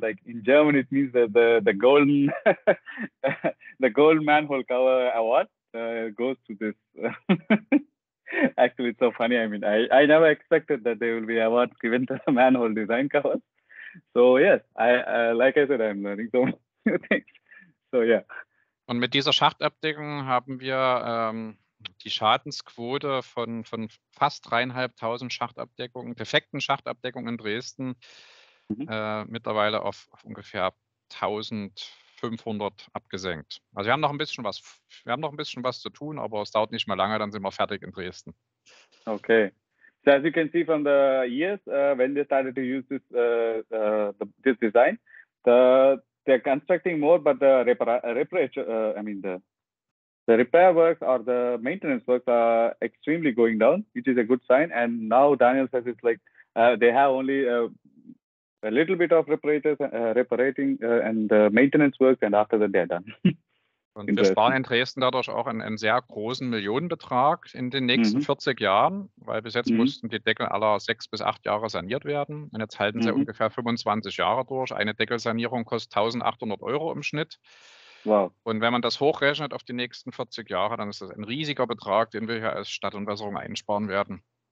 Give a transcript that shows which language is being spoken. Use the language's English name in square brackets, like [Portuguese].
[English] Like in German, it means the golden the gold manhole cover award goes to this. Actually, it's so funny. I mean, I never expected that there will be awards given to the manhole design covers. So yes, I like I said, I'm learning so many things. So yeah. [German] Und mit dieser Schachtabdeckung haben wir die Schadensquote von fast 3.500 Schachtabdeckungen, defekten Schachtabdeckungen in Dresden, mittlerweile auf ungefähr 1.500 abgesenkt. Also wir haben noch ein bisschen was zu tun, aber es dauert nicht mehr lange, dann sind wir fertig in Dresden. [English] Okay. So as you can see from the years, when they started to use this, this design, they're constructing more, but the repair works or the maintenance works are extremely going down, which is a good sign. And now Daniel says it's like they have only a little bit of reparating and maintenance works, and after that they're done. [German] Und wir sparen in Dresden dadurch auch einen sehr großen Millionenbetrag in den nächsten 40 Jahren, weil bis jetzt mussten die Deckel aller 6 bis 8 Jahre saniert werden. Und jetzt halten sie ungefähr 25 Jahre durch. Eine Deckelsanierung kostet 1.800 Euro im Schnitt. [English] Wow. [German] Und wenn man das hochrechnet auf die nächsten 40 Jahre, dann ist das ein riesiger Betrag, den wir hier als Stadt und Wässerung einsparen werden.